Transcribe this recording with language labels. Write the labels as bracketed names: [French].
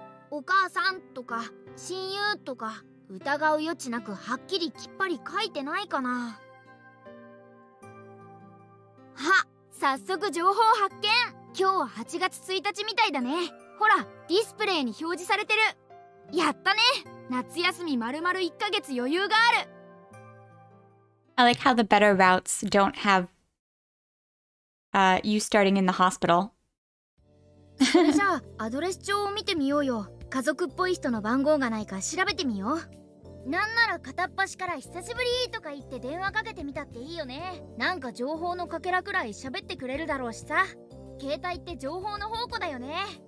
[Japanese] お母さんとか親友とか疑う余地なくはっきりきっぱり書いてないかな。あ、早速情報発見。今日は8月1日みたいだね。ほら、ディスプレイに表示されてる。やったね、夏休み丸々1ヶ月余裕がある。 [English] I like how the better routes don't have you starting in the hospital. [Japanese] それじゃあアドレス帳を見てみようよ。家族っぽい人の番号がないか調べてみよう。なんなら片っ端から久しぶりとか言って電話かけてみたっていいよね。なんか情報のかけらくらい喋ってくれるだろうしさ。携帯って情報の宝庫だよね。